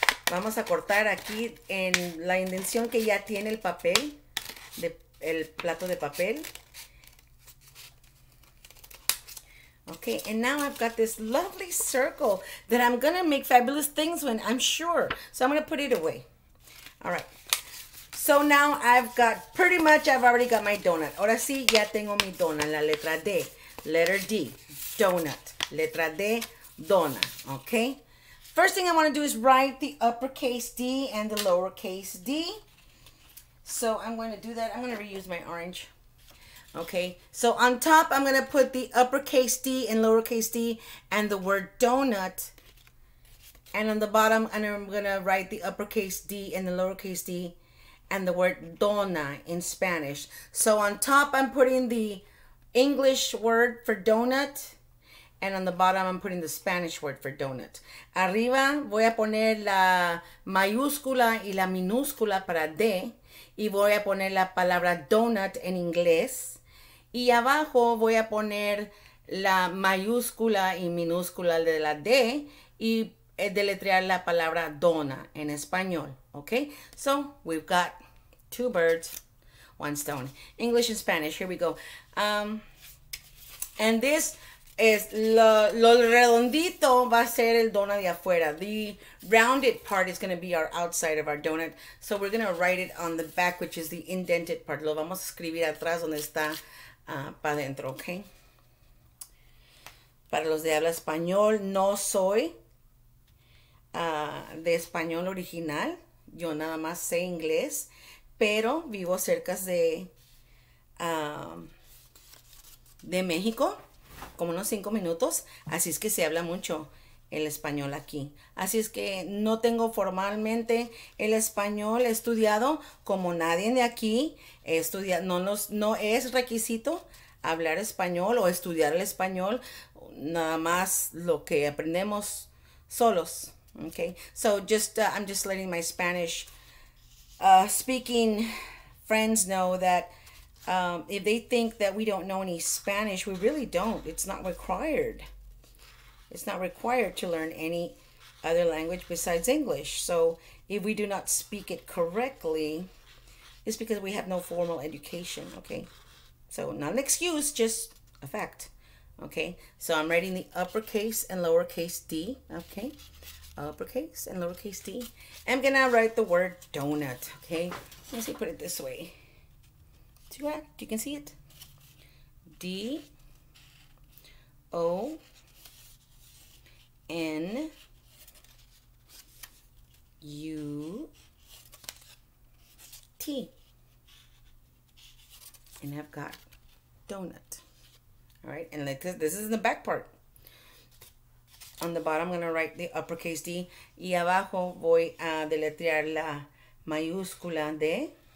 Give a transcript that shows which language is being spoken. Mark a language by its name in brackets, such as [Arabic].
[Spanish] Vamos a cortar aquí en la indención que ya tiene el papel, el plato de papel. [English] Okay, and now I've got this lovely circle that I'm gonna make fabulous things when I'm sure. So I'm gonna put it away. All right. So now I've already got my donut. [Spanish] Ahora sí, ya tengo mi dona, la letra D. [English] Letter D, donut. [Spanish] Letra D, dona. [English] Okay. First thing I want to do is write the uppercase D and the lowercase D. So I'm going to do that. I'm going to reuse my orange. Okay, so on top, I'm going to put the uppercase D and lowercase D and the word donut. And on the bottom, and I'm going to write the uppercase D and the lowercase D and the word dona in Spanish. So on top, I'm putting the English word for donut. And on the bottom, I'm putting the Spanish word for donut. [Spanish] Arriba, voy a poner la mayúscula y la minúscula para D. Y voy a poner la palabra donut en inglés. Y abajo, voy a poner la mayúscula y minúscula de la D. Y deletrear la palabra dona en español. Okay? [English] So, we've got two birds, one stone. English and Spanish, here we go. And this [Spanish] es lo redondito va a ser el dona de afuera. [English] The rounded part is going to be our outside of our donut. So we're going to write it on the back, which is the indented part. [Spanish] Lo vamos a escribir atrás donde está para adentro, ¿ok? Para los de habla español, no soy de español original. Yo nada más sé inglés, pero vivo cerca de México. Como unos 5 minutos, así es que se habla mucho el español aquí. Así es que no tengo formalmente el español estudiado, como nadie de aquí estudia, no es requisito hablar español o estudiar el español, nada más lo que aprendemos solos. [English] Okay, so just I'm just letting my Spanish speaking friends know that if they think that we don't know any Spanish, we really don't. It's not required. It's not required to learn any other language besides English. So if we do not speak it correctly, it's because we have no formal education, okay? So not an excuse, just a fact, okay? So I'm writing the uppercase and lowercase D, okay? Uppercase and lowercase D. I'm gonna write the word donut, okay? Let's see, put it this way. See what? You can see it. D O N U T. And I've got donut. All right, and like this is in the back part. On the bottom, I'm gonna write the uppercase D. [Spanish] Y abajo voy a deletrear la mayúscula D.